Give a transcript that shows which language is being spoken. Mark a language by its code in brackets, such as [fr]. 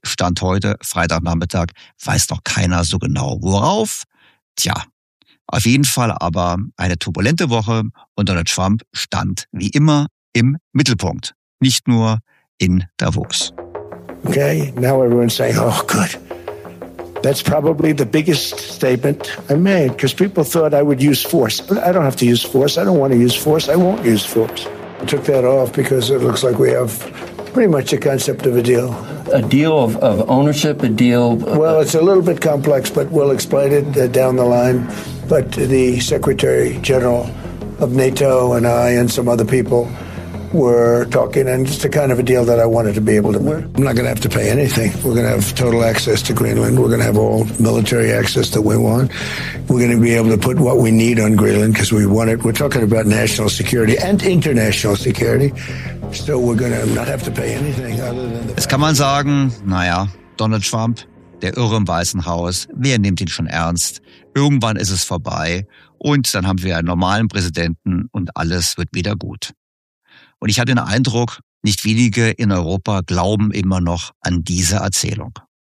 [de] Stand heute, Freitagnachmittag, weiß noch keiner so genau worauf. Tja, auf jeden Fall aber eine turbulente Woche und Donald Trump stand wie immer im Mittelpunkt, nicht nur in Davos. [en] Okay, now everyone's saying, oh good. That's probably the biggest statement I made, because people thought I would use force. I don't have to use force. I don't want to use force. I won't use force. I took that off because it looks like we have pretty much a concept of a deal. A deal of ownership, a deal? Well, it's a little bit complex, but we'll explain it down the line. But the Secretary General of NATO and I and some other people were talking, and it's the kind of a deal that I wanted to be able to make. I'm not going to have to pay anything. We're going to have total access to Greenland. We're going to have all military access that we want. We're going to be able to put what we need on Greenland because we want it. We're talking about national security and international security. So we're going to not have to pay anything other than... [de] Es kann man sagen, naja, Donald Trump, der Irre im Weißen Haus, wer nimmt ihn schon ernst? Irgendwann ist es vorbei und dann haben wir einen normalen Präsidenten und alles wird wieder gut. Und ich habe den Eindruck, nicht wenige in Europa glauben immer noch an diese Erzählung.